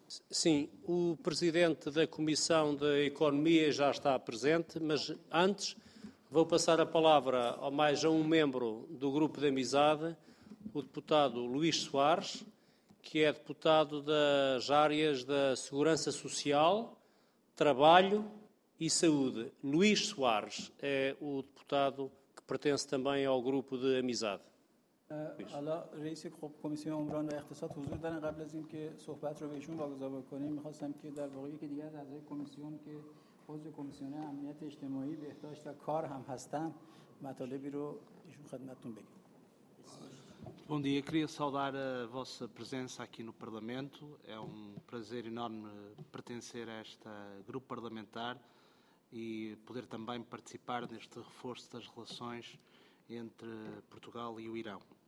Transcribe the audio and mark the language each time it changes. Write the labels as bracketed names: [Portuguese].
[Portuguese] Sim, o Presidente da Comissão de Economia já está presente, mas antes vou passar a palavra a mais um membro do Grupo de Amizade, o deputado Luís Soares, que é deputado das áreas da Segurança Social, Trabalho e Saúde. Luís Soares é o deputado que pertence também ao grupo de amizade. [Persian] Alô, رئیس کمیسیون عمران و اقتصاد حضور دارن قبل از اینکه صحبت رو بهشون واگذار بکنیم می‌خواستم که در واقع یکی دیگه از اعضای کمیسیون که عضو کمیسیون امنیت اجتماعی بهداشت و کار هم هستن مطالبی رو ایشون خدمتتون بگم. [Portuguese] Bom dia, queria saudar a vossa presença aqui no Parlamento. É um prazer enorme pertencer a este grupo parlamentar e poder também participar neste reforço das relações entre Portugal e o Irã.